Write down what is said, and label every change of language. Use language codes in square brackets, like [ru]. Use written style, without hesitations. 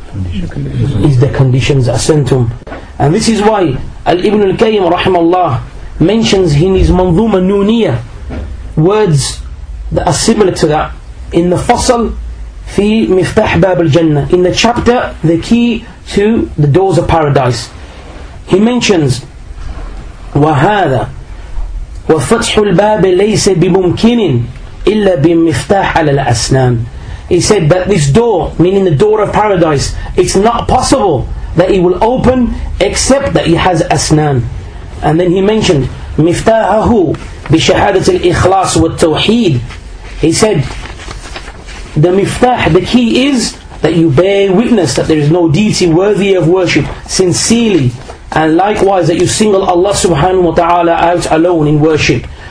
[en] Is the conditions, asantum. And this is why Al-Ibn al-Qayyim rahimahullah mentions in his Manzuma Nuniya words that are similar to that in the Fasal fi Miftah Bab al-Jannah, in the chapter The Key to the Doors of Paradise. [ar] He mentions وَهَذَا وَفَتْحُ الْبَابِ لَيْسَ بِمُمْكِنٍ إِلَّا بِمِفْتَحْ عَلَى الْأَسْنَانِ. [en] He said that this door, meaning the door of paradise, it's not possible that it will open except that it has asnan. And then he mentioned miftahahu bi shahadat al-ikhlas wa tawheed. He said the miftah, the key, is that you bear witness that there is no deity worthy of worship sincerely, and likewise that you single Allah subhanahu wa ta'ala out alone in worship.